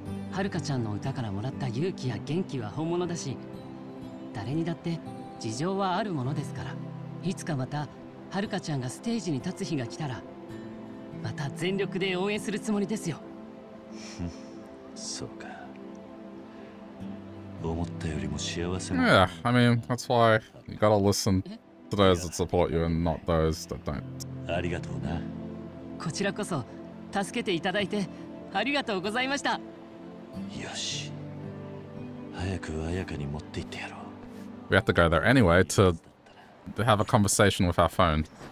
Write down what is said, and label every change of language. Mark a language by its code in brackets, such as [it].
[ja] はるかちゃんの歌からもらった勇気や元気は本物だし、誰にだって事情はあるものですから、いつかまたはるかちゃんがステージに立つ日が来たら、また全力で応援するつもりですよ。そうか、思ったよりも幸せ。 [en] Yeah, I mean, that's why you gotta listen to those that support you and not those that don't. [ja] ありがとうな。こちらこそ助けていただいてありがとうございました。よし、早く彩香に持って行ってやろう。 [en] We have to go there anyway to have a conversation with our phone.